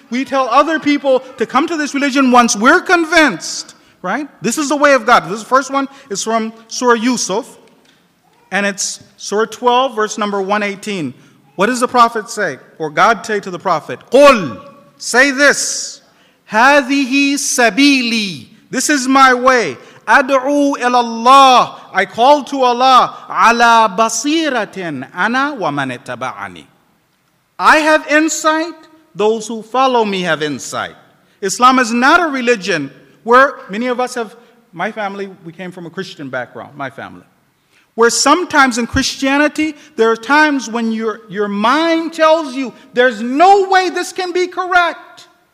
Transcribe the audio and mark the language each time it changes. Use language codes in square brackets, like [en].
[en] We tell other people to come to this religion once we're convinced, right? This is the way of God. This first one is from Surah Yusuf, and it's Surah 12, verse number 118. What does the Prophet say, or God say to the Prophet? قُلْ, say this, [ar] هَذِهِ سَبِيلِي, [en] this is my way. [ar] أَدْعُوا إِلَى اللَّهِ, [en] I call to Allah, [ar] عَلَى بَصِيرَةٍ أَنَا وَمَنِ اتَّبَعَنِي. [en] I have insight. Those who follow me have insight. Islam is not a religion where many of us have, my family, we came from a Christian background, my family, where sometimes in Christianity, there are times when your mind tells you, there's no way this can be correct.